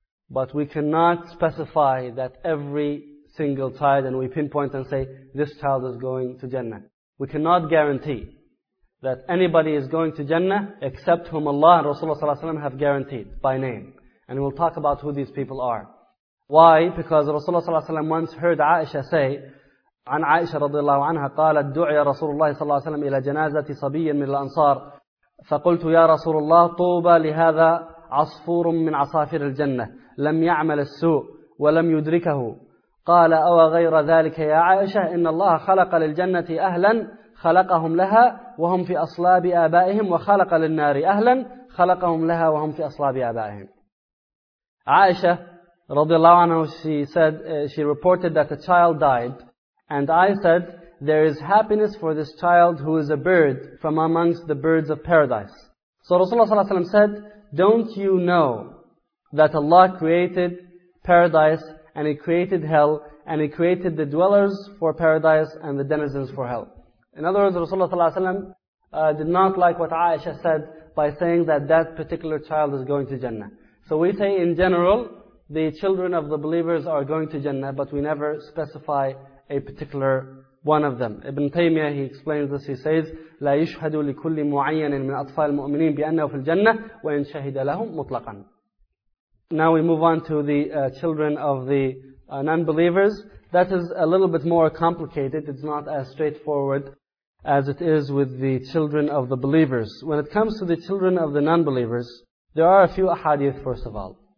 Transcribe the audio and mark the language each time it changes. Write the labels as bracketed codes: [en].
[en] But we cannot specify that every single child, and we pinpoint and say, this child is going to Jannah. We cannot guarantee that anybody is going to Jannah except whom Allah and Rasulullah ﷺ have guaranteed by name. And we'll talk about who these people are. Why? Because Rasulullah ﷺ once heard Aisha say, [ar] عن عائشة رضي الله عنها قالت دعي رسول الله صلى الله عليه وسلم إلى جنازة صبي من الأنصار فقلت يا رسول الله طوبى لهذا عصفور من عصافير الجنة لم يعمل السوء ولم يدركه قال أو غير ذلك يا عائشة إن الله خلق للجنة أهلا خلقهم لها وهم في أصلاب آبائهم وخلق للنار أهلا خلقهم لها وهم في أصلاب آبائهم. [en] عائشة [ar] رضي الله عنها, [en] she reported that a child died, and I said, there is happiness for this child who is a bird from amongst the birds of paradise. So Rasulullah [ar] صلى الله عليه وسلم [en] said, don't you know that Allah created paradise and He created hell, and He created the dwellers for paradise and the denizens for hell. In other words, Rasulullah ﷺ did not like what Aisha said by saying that that particular child is going to Jannah. So we say in general, the children of the believers are going to Jannah, but we never specify a particular one of them. Ibn Taymiyyah, he explains this, he says, [ar] لا يشهد لكل معين من أطفال المؤمنين بأنه في الجنة وإن شهد لهم مطلقا. [en] Now we move on to the children of the non-believers. That is a little bit more complicated. It's not as straightforward as it is with the children of the believers. When it comes to the children of the non-believers, there are a few ahadith, first of all.